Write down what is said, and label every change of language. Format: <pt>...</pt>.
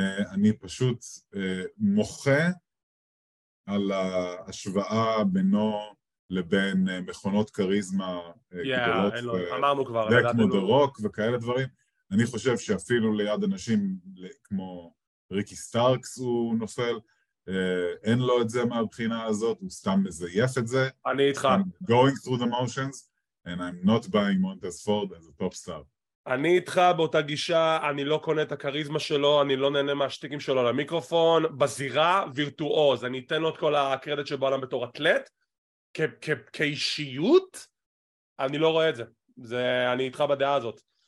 <he>אני פשוט מוחה על ההשוואה בינו לבין מכונות קריזמה גדולות. אמרנו כבר. זה כמו דרוק וכאלה דברים. אני חושב שאפילו ליד אנשים כמו ריקי סטארקס הוא נופל, אין לו את זה מהבחינה הזאת, הוא סתם מזייף את זה. אני איתך.</he> <en>I'm going through the motions, and I'm not buying Montez Ford as a top star.</en> <he>אני איתך באותה גישה, אני לא קונה את הקריזמה שלו, אני לא נהנה מהשטיקים שלו למיקרופון, בזירה וירטואוז, אני אתן לו את כל הקרדיט שבא להם בתור אטלט, כאישיות, אני לא רואה את זה. אני איתך בדעה הזאת.</he>